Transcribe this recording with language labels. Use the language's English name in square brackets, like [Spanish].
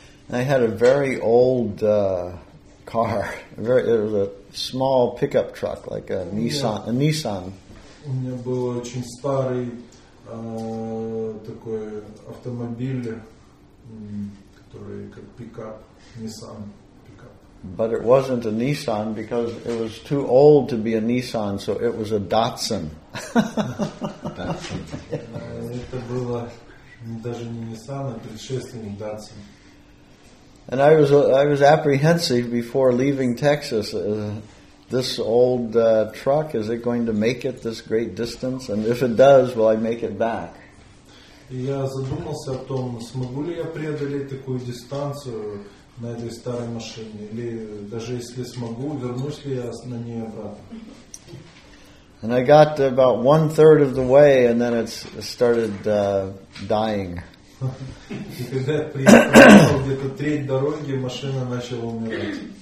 [English] I had a very old car. It was a small pickup truck, like a Nissan. [Russian] У меня был очень старый такой автомобиль, который как пикап, Nissan пикап. [English] But it wasn't a Nissan because it was too old to be a Nissan, so it was a Datsun. [Russian] Это было даже не Nissan, а предшественник Datsun. [English] And I was apprehensive before leaving Texas. This old truck, is it going to make it this great distance? And if it does, will I make it back? [Russian] Я задумался о том, смогу ли я преодолеть такую дистанцию на этой старой машине, или даже если смогу, вернусь ли я на ней обратно? [English] And I got about 1/3 of the way, and then it started dying. [Russian] И когда я приехал где-то треть дороги, машина начала умирать.